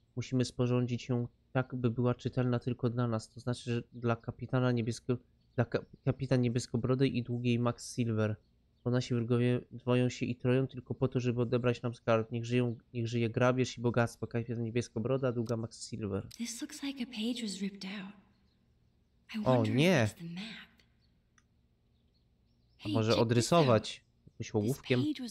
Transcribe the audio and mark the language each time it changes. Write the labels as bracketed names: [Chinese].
[Polish] Musimy sporządzić ją tak, by była czytelna tylko dla nas. To znaczy, że dla kapitana kapitan Niebieskobrody i długiej Max Silver. Bo nasi wrogowie dwoją się i troją tylko po to, żeby odebrać nam skarb. Niech żyje grabież i bogactwo. Kapitan Niebieskobroda, długa Max Silver. [English] This looks like a page was ripped out. [Polish] O nie! A może odrysować jakimś ołówkiem?